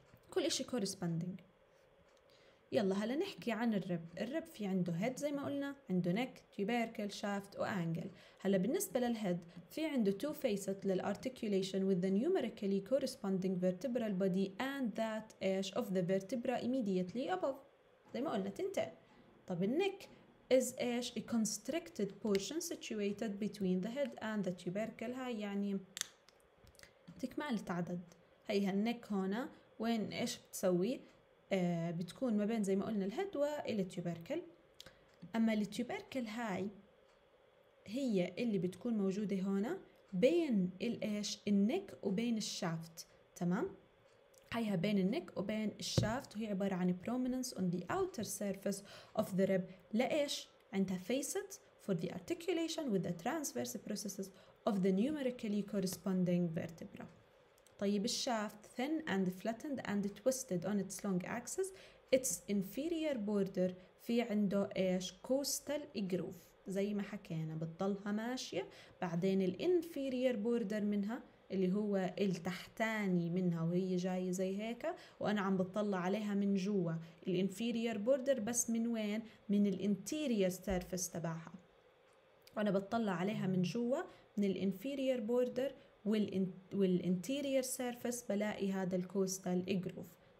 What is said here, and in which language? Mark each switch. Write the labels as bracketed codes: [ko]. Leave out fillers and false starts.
[ar] كل إشي corresponding. يلا هلا نحكي عن الرب. الرب في عنده head زي ما قلنا، عنده neck, tubercle, shaft و angle. هلا بالنسبة لل [en] head [ar] في عنده [en] two faces للarticulation with the numerically corresponding vertebral body and that edge of the vertebra immediately above. [ar] زي ما قلنا تنتقل. طب النك [en] is ايش؟ a constricted portion situated between the head and the tubercle. [ar] هاي يعني تكمل تعدد. هاي هالنك هنا وين ايش بتسوي؟ بتكون ما بين زي ما قلنا الهد والتيوبركل. اما التيوبركل هاي هي اللي بتكون موجودة هنا بين الايش؟ النك وبين الشافت. تمام؟ هيها بين النك وبين الشافت، وهي عبارة عن [en] prominence on the outer surface of the rib. [ar] لإيش؟ عندها [en] facet for the articulation with the transverse processes of the numerically corresponding vertebra. [ar] طيب الشافت [en] thin and flattened and twisted on its long axis. Its inferior border [ar] في عنده إيش؟ [en] coastal groove. [ar] زي ما حكينا بتضلها ماشية، بعدين ال inferior border منها اللي هو التحتاني منها وهي جاي زي هيك، وأنا عم بتطلع عليها من جوا الانفيريور بوردر، بس من وين؟ من الانتيريور سيرفس تبعها، وأنا بتطلع عليها من جوا من الانفيريور بوردر والانتيريور سيرفس بلاقي هذا الكوستال إجروف.